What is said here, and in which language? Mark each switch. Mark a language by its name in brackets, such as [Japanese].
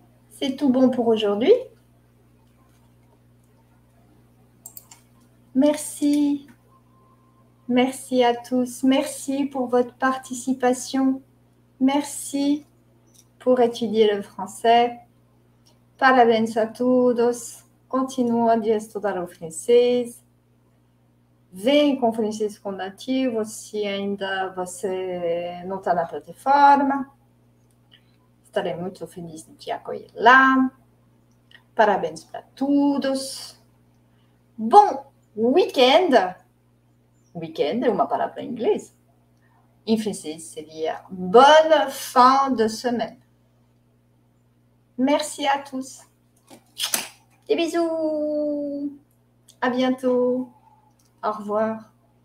[French] C'est tout bon pour aujourd'hui? Merci. Merci à tous. Merci pour votre participation. Merci pour étudier le français. [Portuguese] Parabéns a todos. [French] Continuons [Portuguese] de estudar o francês. Vem com o francês com nativo se ainda você não está na plataforma. Estarei muito feliz de te acolher lá. Parabéns para todos. Bom weekend. Weekend é uma palavra em inglês. Em francês seria [French] bonne fin de semaine. Merci à tous. Des bisous. À bientôt. Au revoir.